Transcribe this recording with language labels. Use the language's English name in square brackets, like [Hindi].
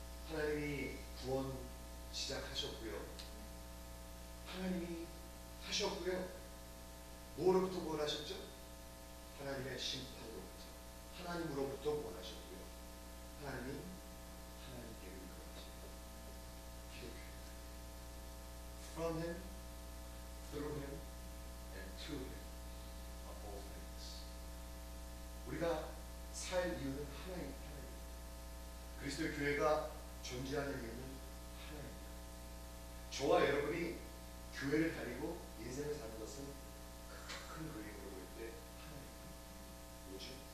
[Korean] 하나님이 구원 시작하셨고요. 하나님이 하셨고요. 뭐로부터 구원 하셨죠? 하나님의 심판으로부터. 하나님으로부터 구원 하셨고요. 하나님이 하나님께 기록해. [English] From him, through him, and to him are all things. [Korean] 우리가 살 이유는 하나님. 그리스도의 교회가 존재하는 이유는 하나입니다. 저와 여러분이 교회를 다니고 인생을 사는 것은 큰 그림으로 볼 때 하나입니다. 뭐죠?